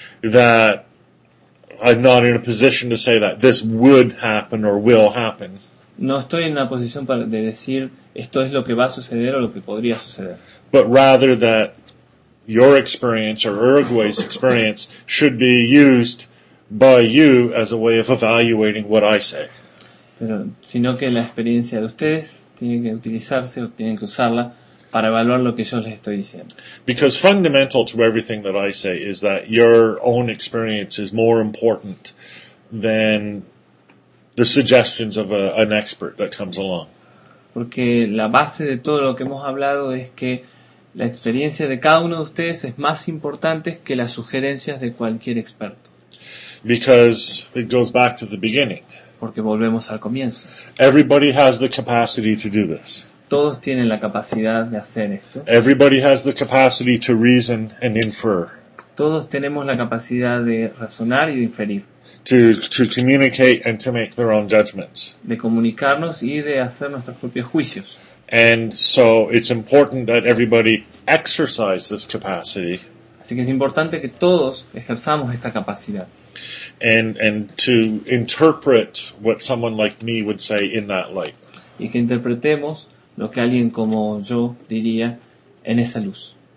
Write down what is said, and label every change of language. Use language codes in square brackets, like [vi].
[en] That I'm not in a position to say that this would happen or will happen. [es] No estoy en una posición para de decir esto es lo que va a suceder o lo que podría suceder. [en] But rather that your experience or Uruguay's experience should be used by you as a way of evaluating what I say. [es] Pero sino que la experiencia de ustedes tiene que utilizarse o tienen que usarla para evaluar lo que yo les estoy diciendo. [en] Because fundamental to everything that I say is that your own experience is more important than the suggestions of an expert that comes along. [es] Porque la base de todo lo que hemos hablado es que la experiencia de cada uno de ustedes es más importante que las sugerencias de cualquier experto. [en] Because it goes back to the beginning. [es] Porque volvemos al comienzo. [en] Everybody has the capacity to do this. [es] Todos tienen la capacidad de hacer esto. [en] Everybody has the capacity to reason and infer. [es] Todos tenemos la capacidad de razonar y de inferir. [en] To communicate and to make their own judgments. [es] De comunicarnos y de hacer nuestros propios juicios. [en] And so it's important that everybody exercise this capacity. [es] Así que es importante que todos ejerzamos esta capacidad. [en] And to interpret what someone like me would say in that light. [es] Y que interpretemos lo que alguien como yo diría en esa luz.